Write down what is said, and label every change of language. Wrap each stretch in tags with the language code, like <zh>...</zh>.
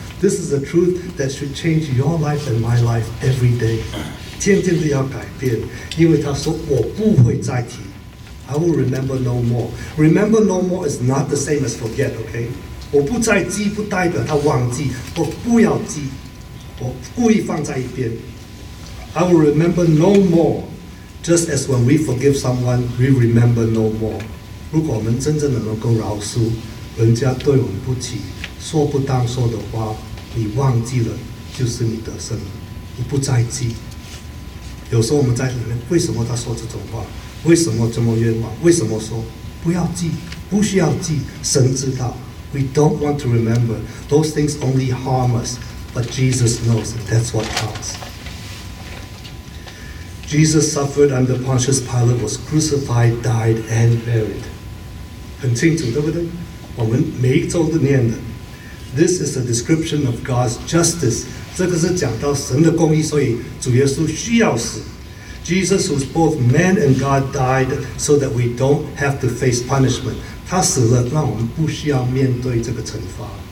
<en>This is a truth that should change your life and my life every day.</en> <zh>渐渐地要改变, 因为他说我不会再提,</zh> <en>I will remember no more. Remember no more is not the same as forget, okay?</en> <zh>我不再记不代表他忘记, 我不要记, 我故意放在一边。</zh> <en>I will remember no more. Just as when we forgive someone, we remember no more.</en> <zh>如果我们真正能够饶恕, 人家对我们不起, 说不当说的话, 你忘记了, 就是你得胜了, 你不再记。有时候我们在里面, 为什么他说这种话?为什么这么冤枉?为什么说? 不要记, 不需要记, 神知道。</zh> <en>We don't want to remember. Those things only harm us. But Jesus knows, and that's what counts. Jesus suffered under Pontius Pilate, was crucified, died, and buried.</en> <zh>很清楚,对不对?我们每一周都念的。</zh> <en>This is a description of God's justice.</en> <zh>这个是讲到神的公义,所以主耶稣需要死。</zh> <en>Jesus, who's both man and God, died so that we don't have to face punishment.</en> <zh>他死了,让我们不需要面对这个惩罚。</zh>